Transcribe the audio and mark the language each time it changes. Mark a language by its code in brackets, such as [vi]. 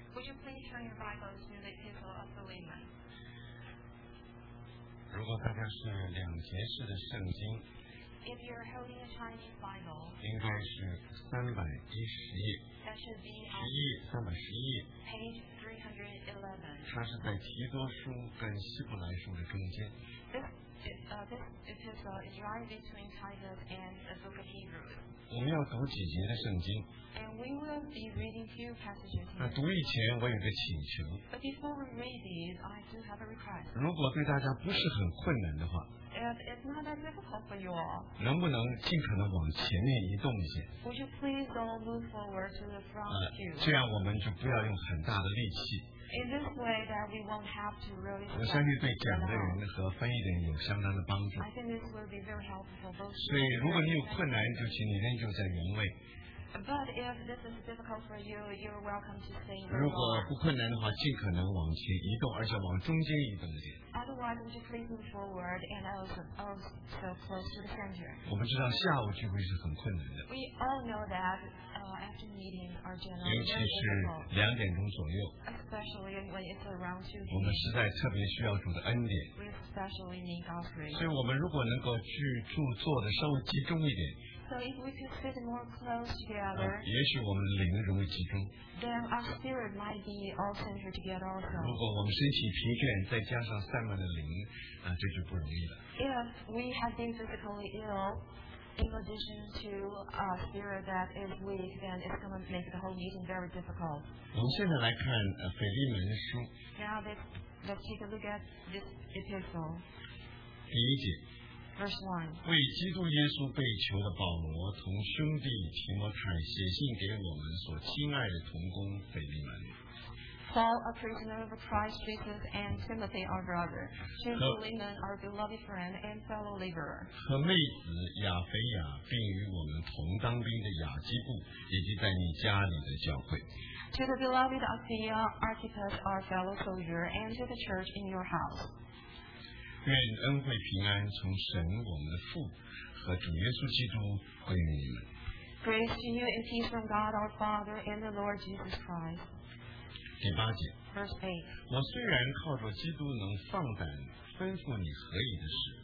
[en] Would you please turn your Bible to the Epistle of Philemon？ [zh] 如果大家是两节式的圣经 [en] ，If you're holding a Chinese Bible， [zh] 应该是311页。 [en] That should be [zh] 311页。 [en] Page 311。 [zh] 它是在提多书跟希伯来书的中间。 [en] This is right between Titus and the Book of Hebrews。 [zh] 我们要读几节的圣经。 [en] And we will be reading few passages. [zh] 那读以前，我有个请求。 [en] But before we read these, I do have a request. [zh] 如果对大家不是很困难的话。 [en] If it's not that difficult for you all. [zh] 能不能尽可能往前面移动一些 [en] ？Would you please all move forward to the front pew? [zh] 这样我们就不要用很大的力气。 [en] In this way that we won't have to really. [zh] 我相信对讲的人和翻译的人有相当的帮助。 [en] I think this will be very helpful both. [zh] 所以如果你有困难，就请你认就在原位。 [en] But if this is difficult for you, you're welcome to stay. [zh] 如果不困难的话，尽可能往前移动，而且往中间移动一点。 [en] Otherwise, would you please move forward and also close to the center? [zh] 我们知道下午聚会是很困难的。 [en] We all know that. After meetings are generally difficult. [zh] 尤其是两点钟左右。 [en] Especially when it's around 2 p.m. [zh] 我们实在特别需要主的恩典。 [en] We especially need God's grace. [zh] 所以我们如果能够去住坐的稍微集中一点。 [en] So if we could sit more close together, [zh] 也许我们的灵容易集中。 [en] Then our spirit might be all centered together also. [zh] 如果我们身体疲倦，再加上散漫的灵，这就不容易了。 [en] If we have been physically ill, in addition to a spirit that is weak, then it's going to make the whole meeting very difficult. [zh] 我们现在来看腓利门书。 [en] Now let's take a look at this epistle. [zh] 第一节。 [en] Verse 1. [zh] 为基督耶稣被囚的保罗同兄弟提摩太写信给我们所亲爱的同工腓利门。 [en] Paul, a prisoner of Christ Jesus, and Timothy, our brother, to Philemon, our beloved friend and fellow laborer. [zh] 和妹子亚腓亚，并与我们同当兵的亚基布，以及在你家里的教会。 [en] To the beloved Apphia, Archippus, our fellow soldier, and to the church in your house. [zh] 愿恩惠平安从神我们的父和主耶稣基督归于你们。 [en] Grace to you and peace from God our Father and the Lord Jesus Christ. [zh] 第八节。 [en] Verse 8. [zh] 我虽然靠着基督能放胆吩咐你何以的事。